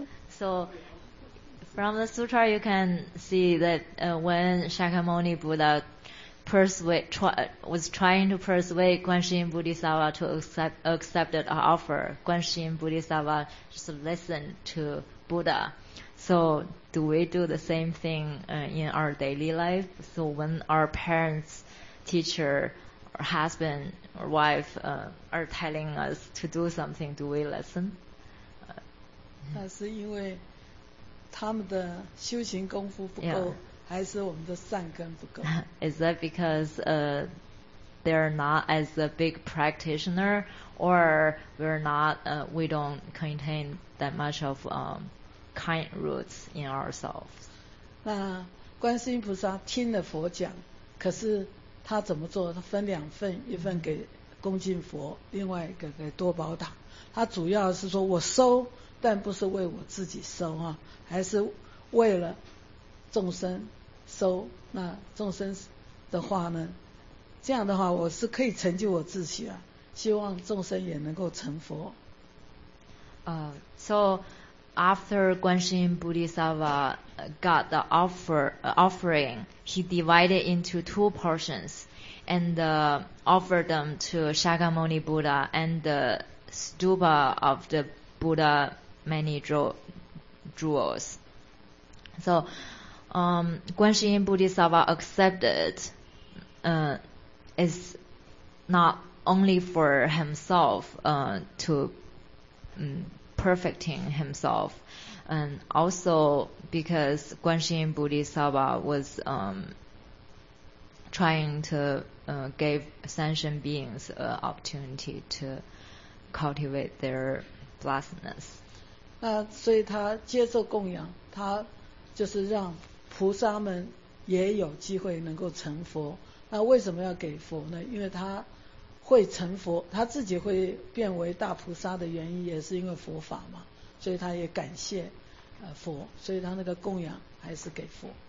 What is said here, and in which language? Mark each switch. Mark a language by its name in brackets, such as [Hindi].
[English] So from the sutra you can see that when Shakyamuni Buddha was trying to persuade Guanxing Bodhisattva to accept the offer, Guanxing Bodhisattva just listened to Buddha. So do we do the same thing in our daily life? So when our parents, teacher, or husband, or wife are telling us to do something, do we listen? [Chinese] 那是因为他们的修行功夫不够，还是我们的善根不够？ [English] Is that because they're not as a big practitioner, or we're not we don't contain that much of kind roots in ourselves? [Chinese] 那观世音菩萨听了佛讲，可是他怎么做？他分两份，一份给恭敬佛，另外一个给多宝塔。他主要是说我收，但不是为我自己收啊，还是为了众生。收，那众生的话呢，这样的话我是可以成就我自己啊，希望众生也能够成佛。 [English] So after Guanxing Bodhisattva got the offering, he divided into two portions and offered them to Shakyamuni Buddha and the stupa of the Buddha many jewels. So, Guanxin Bodhisattva accepted, is not only for himself, to, perfecting himself, and also because Guanxin Bodhisattva was, trying to, give sentient beings an opportunity to cultivate their blessedness. [Chinese] 所以他接受供养, 他就是让菩萨们也有机会能够成佛。那为什么要给佛呢?因为他会成佛, 他自己会变为大菩萨的原因, 也是因为佛法嘛, 所以他也感谢, 佛, 所以他那个供养还是给佛。